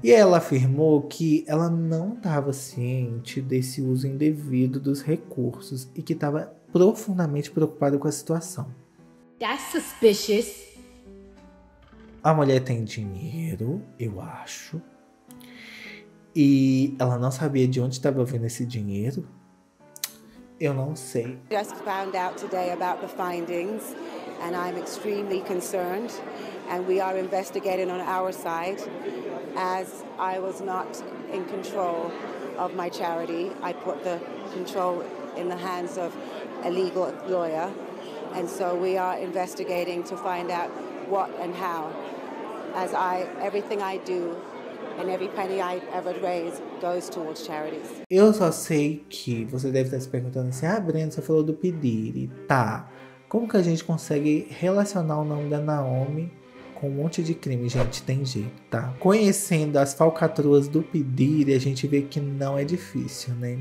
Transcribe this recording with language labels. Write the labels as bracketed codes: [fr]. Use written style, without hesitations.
[pt] E ela afirmou que ela não estava ciente desse uso indevido dos recursos e que estava profundamente preocupada com a situação. [en] That's suspicious. [pt] A mulher tem dinheiro, eu acho, e ela não sabia de onde estava vindo esse dinheiro. Eu não sei. [en] Just found out today about the findings and I'm extremely concerned and we are investigating on our side as I was not in control of my charity. I put the control in the hands of a legal lawyer and so we are investigating to find out what and how as I everything I do and every penny I ever raise goes towards charities. [pt] Eu só sei que você deve estar se perguntando assim: ah, Brenda, você falou do Pediri. Tá, como que a gente consegue relacionar o nome da Naomi com um monte de crime? Gente, tem jeito, tá? Conhecendo as falcatruas do Pediri, a gente vê que não é difícil, né?